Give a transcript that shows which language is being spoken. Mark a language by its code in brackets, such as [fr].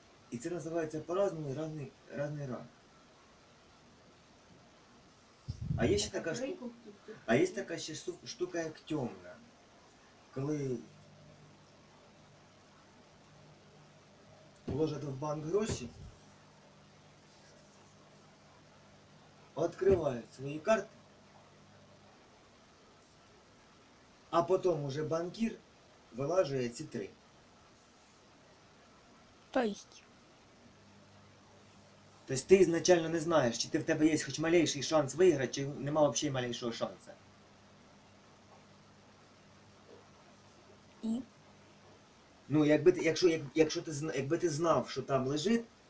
[uk] І це називається по-разному разний ранг. А є ще така штука. А є така ще штука, як темна. Коли вложити в банк гроші. [ru] Открывают свои карты, а потом уже банкир вылаживает эти три. То есть? [uk] Тобто ти ізначально не знаєш, чи ти в тебе є хоч малейший шанс виграти, чи нема взагалі малейшого шансу. І? Ну, якби ти, якби ти знав, що там лежить.